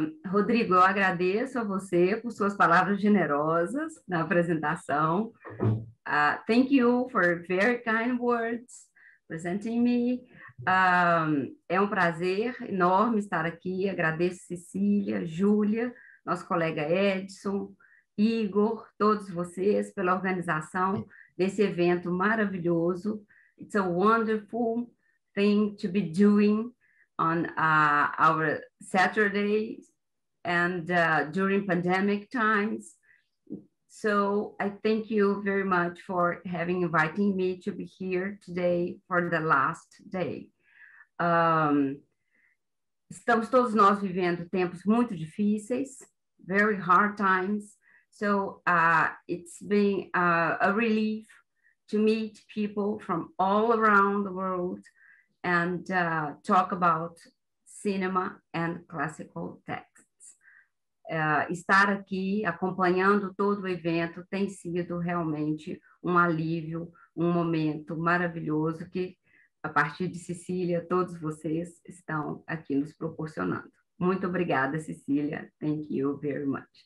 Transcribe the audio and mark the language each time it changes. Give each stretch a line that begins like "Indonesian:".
Portuguese: Rodrigo, eu agradeço a você por suas palavras generosas na apresentação.
English: Thank you for very kind words presenting me.
Portuguese: É um prazer enorme estar aqui. Agradeço Cecília, Júlia, nosso colega Edson, Igor, todos vocês pela organização desse evento maravilhoso.
English: It's a wonderful thing to be doing on our Saturdays and during pandemic times. So I thank you very much for having inviting me to be here today for the last day.
Portuguese: Estamos todos nós vivendo tempos muito difíceis,
English: very hard times. So it's been a relief to meet people from all around the world and talk about cinema and classical texts.
Portuguese: Estar aqui acompanhando todo o evento tem sido realmente um alívio, um momento maravilhoso que, a partir de Cecília, todos vocês estão aqui nos proporcionando. Muito obrigada, Cecília.
English: Thank you very much.